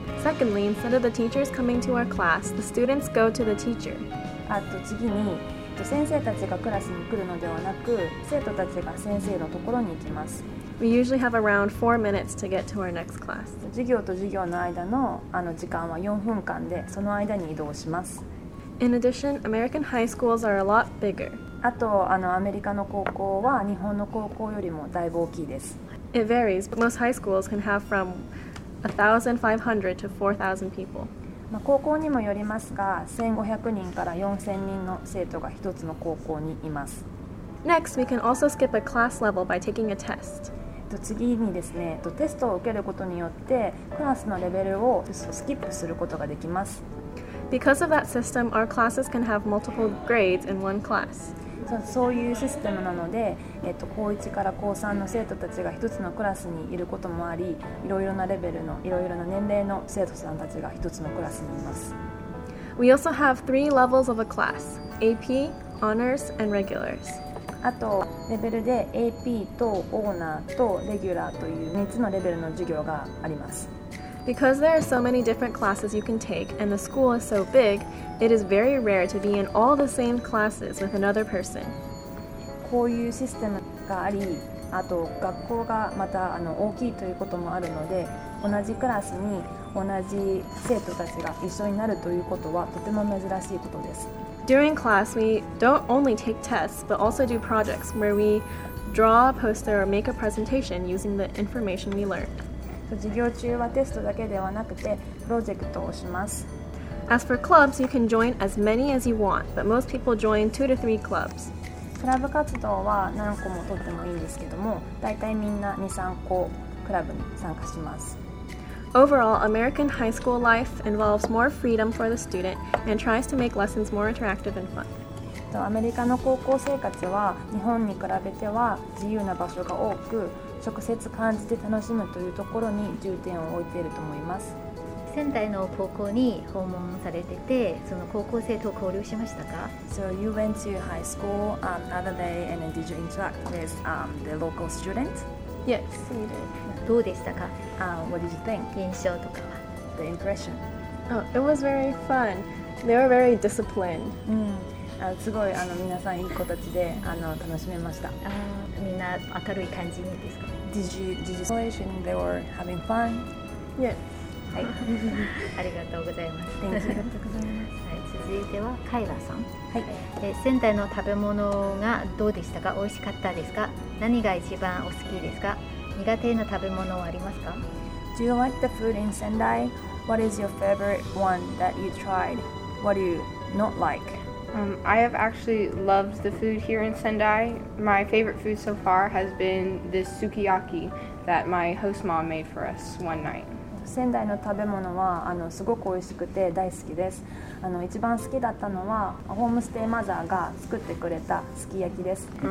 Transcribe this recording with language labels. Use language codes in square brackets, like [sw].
[en] Secondly, instead of the teachers coming to our class, the students go to the teacher. [ja] あと次に、先生たちがクラスに来るのではなく、生徒たちが先生のところに行きます。 [en] We usually have around 4 minutes to get to our next class. [ja] 授業と授業の間の、時間は4分間で、その間に移動します。 [en] In addition, American high schools are a lot bigger. [ja] あと、アメリカの高校は日本の高校よりもだいぶ大きいです。 [en] It varies, but most high schools can have from 1,500 to 4,000 people. [ja] まあ、高校にもよりますが、1,500 人から 4,000 人の生徒が一つの高校にいます。 [en] Next, we can also skip a class level by taking a test. [ja] 次にですね、テストを受けることによってクラスのレベルをスキップすることができます。 [en] Because of that system, our classes can have multiple grades in one class. [ja] そういうシステムなので、高1から高3の生徒たちが一つのクラスにいることもあり、いろいろなレベルの、いろいろな年齢の生徒さんたちが一つのクラスにいます。 [en] We also have three levels of a class: AP, honors, and regulars. [ja] あとレベルで AP とオーナーとレギュラーという3つのレベルの授業があります。 [en] Because there are so many different classes you can take and the school is so big, it is very rare to be in all the same classes with another person. [ja] こういうシステムがあり、あと学校がまた大きいということもあるので、同じクラスに同じ生徒たちが一緒になるということはとても珍しいことです。 [en] During class, we don't only take tests, but also do projects where we draw a poster or make a presentation using the information we learn. [ja] 授業中はテストだけではなくて、プロジェクトをします。 [en] As for clubs, you can join as many as you want, but most people join 2 to 3 clubs. [ja] クラブ活動は何個もとってもいいんですけども、大体みんな 2、3 個クラブに参加します。 [en] Overall, American high school life involves more freedom for the student and tries to make lessons more interactive and fun. [ja] アメリカの高校生活は日本に比べては自由な場所が多く、直接感じて楽しむというところに重点を置いていると思います。仙台の高校に訪問されてて、その高校生と交流しましたか？ [en] So you went to high school another day and did you interact with the local students? Yes, we did. [ja] どうでしたか? [en] What did you think? [ja] 印象とかは? [en] The impression. Oh, it was very fun. They were very disciplined. [ja] すごい皆さんいい子たちで楽しめました。みんな明るい感じですか? [en] Did you think they were having fun? Yes. [ja] はい。ありがとうございます。 [en] Thank you. [ja] ありがとうございます。続いてはカイラさん、はい、仙台の食べ物がどうでしたか？美味しかったですか？何が一番お好きですか？苦手な食べ物はありますか？ [en] Do you like the food in Sendai? What is your favorite one that you tried? What do you not like? I have actually loved the food here in Sendai. My favorite food so far has been this sukiyaki that my host mom made for us one night. [ja] 仙台の食べ物はすごく美味しくて大好きです。一番好きだったのはホームステイマザーが作ってくれたすき焼きです。